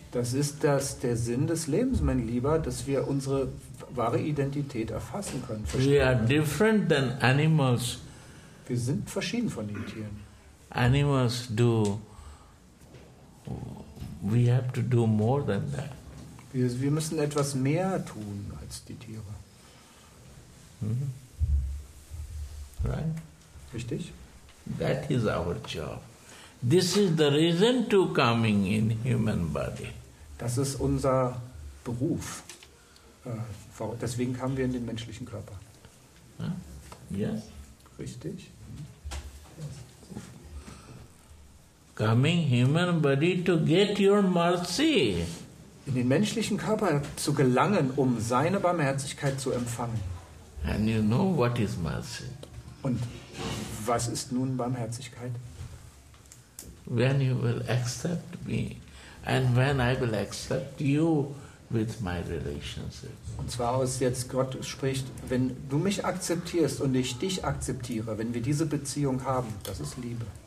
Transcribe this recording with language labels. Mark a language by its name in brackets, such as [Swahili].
[German] Das ist der Sinn des Lebens, mein Lieber, dass wir unsere wahre Identität erfassen können. [English] We are different than animals. [German] Wir sind verschieden von den Tieren. [English] Animals do. We have to do more than that. [German] Wir müssen etwas mehr tun als die Tiere. [English] Mm-hmm. Right? [German] Richtig? [English] That is our job. This is the reason to coming in human body. [German] Das ist unser Beruf. Deswegen kamen wir in den menschlichen Körper. [English] Yes? [German] Richtig. [English] Coming human body to get your mercy. [German] In den menschlichen Körper zu gelangen, um seine Barmherzigkeit zu empfangen. [English] And you know what is mercy? [German] Und was ist nun Barmherzigkeit? [English] When you will accept me and when I will accept you with my relationship. [German] Und zwar aus jetzt Gott spricht, wenn du mich akzeptierst und ich dich akzeptiere, wenn wir diese Beziehung haben, das ist Liebe.